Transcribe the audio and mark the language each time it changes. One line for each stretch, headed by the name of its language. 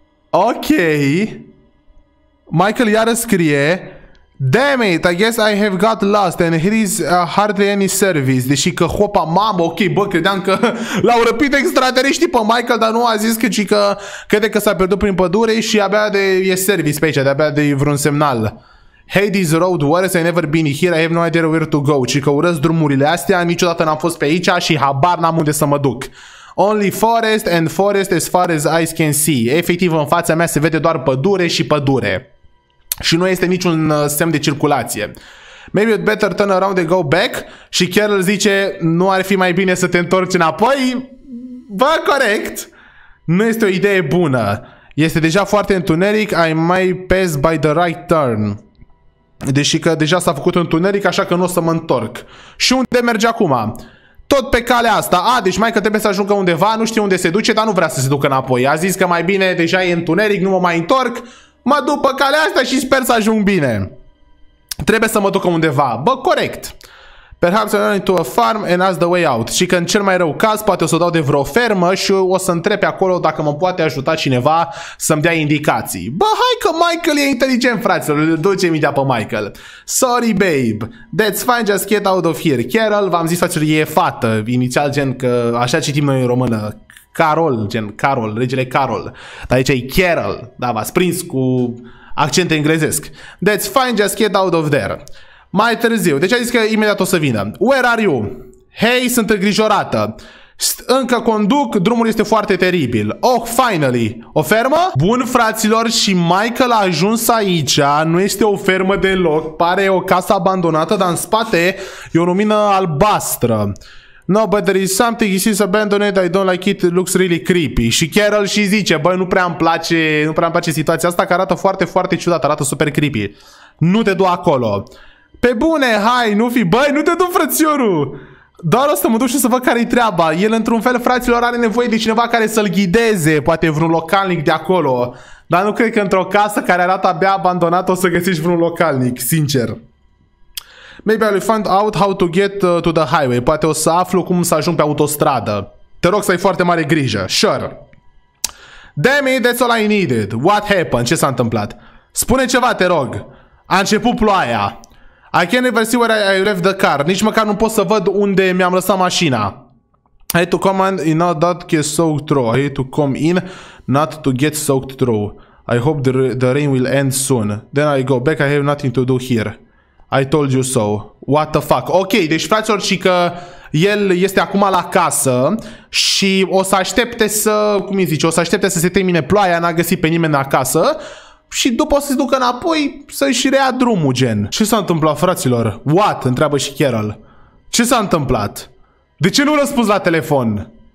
Romanian: Ok. Michael iară scrie.
English: Damn it, I guess I have got lost and here is hardly any service.
Romanian: Deși că hopa mamă, ok, bă, credeam că l-au răpit extraterestrii pe Michael, dar nu a zis că, ci că crede că s-a pierdut prin pădure și abia de e service pe aici, de-abia de vreun semnal.
English: Hey, this road, where has I never been here? I have no idea where to go.
Romanian: Ci că urăsc drumurile astea, niciodată n-am fost pe aici și habar n-am unde să mă duc.
English: Only forest and forest as far as eyes can see.
Romanian: Efectiv, în fața mea se vede doar pădure și pădure. Și nu este niciun semn de circulație.
English: Maybe you'd better turn around and go back.
Romanian: Și Carol zice, nu ar fi mai bine să te întorci înapoi. Bă, corect. Nu este o idee bună. Este deja foarte întuneric.
English: I might pass by the right turn.
Romanian: Deși că deja s-a făcut întuneric, așa că nu o să mă întorc. Și unde merge acum? Tot pe calea asta. A, deci mai că trebuie să ajungă undeva. Nu știu unde se duce, dar nu vrea să se ducă înapoi. A zis că mai bine deja e întuneric, nu mă mai întorc. Mă duc pe calea asta și sper să ajung bine. Trebuie să mă duc undeva. Bă, corect.
English: Perhaps I'm going to a farm and ask the way out.
Romanian: Și că în cel mai rău caz, poate o să o dau de vreo fermă și o să întreb pe acolo dacă mă poate ajuta cineva să-mi dea indicații. Bă, hai că Michael e inteligent, fraților. Îl duce mintea pe Michael.
English: Sorry, babe. That's fine, just get out of here.
Romanian: Carol, v-am zis, fraților, e fată. Inițial, gen, că așa citim noi în română. Carol, gen, Carol, regele Carol. Dar aici e Carol. Da, v-ați prins cu accent englezesc.
English: That's fine, just get out of there.
Romanian: Mai târziu. Deci a zis că imediat o să vină.
English: Where are you? Hey,
Romanian: sunt îngrijorată. Încă conduc, drumul este foarte teribil.
English: Oh, finally.
Romanian: O fermă? Bun, fraților, și Michael a ajuns aici. Nu este o fermă deloc. Pare o casă abandonată, dar în spate e o lumină albastră.
English: No, but there is something, it seems abandoned, I don't like it, it looks really creepy.
Romanian: Și Carol și zice, băi, nu prea îmi place situația asta, că arată foarte, foarte ciudat, arată super creepy. Nu te du acolo. Pe bune, hai, nu fi, băi, nu te du, frățiorul! Doar o să mă duc și să văd care-i treaba. El, într-un fel, fraților, are nevoie de cineva care să-l ghideze, poate vreun localnic de acolo. Dar nu cred că într-o casă care arată abia abandonată o să găsești vreun localnic, sincer.
English: Maybe I'll find out how to get to the highway.
Romanian: Poate o să aflu cum să ajung pe autostradă. Te rog să ai foarte mare grijă. Sure.
English: Damn it, that's all I needed. What happened?
Romanian: Ce s-a întâmplat? Spune ceva, te rog. A început ploaia.
English: I can't never see where I left the car.
Romanian: Nici măcar nu pot să văd unde mi-am lăsat mașina.
English: I had to come in, you know, that gets soaked through. I had to come in, not to get soaked through. I hope the rain will end soon. Then I go back, I have nothing to do here. I told you so. What the fuck?
Romanian: Ok, deci fraților, și că el este acum la casă și o să aștepte să, cum îi zice, o să aștepte să se termine ploaia, n-a găsit pe nimeni acasă și după o să se ducă înapoi să-și rea drumul, gen. Ce s-a întâmplat, fraților? What? Întreabă și Carol. Ce s-a întâmplat? De ce nu răspuns la telefon?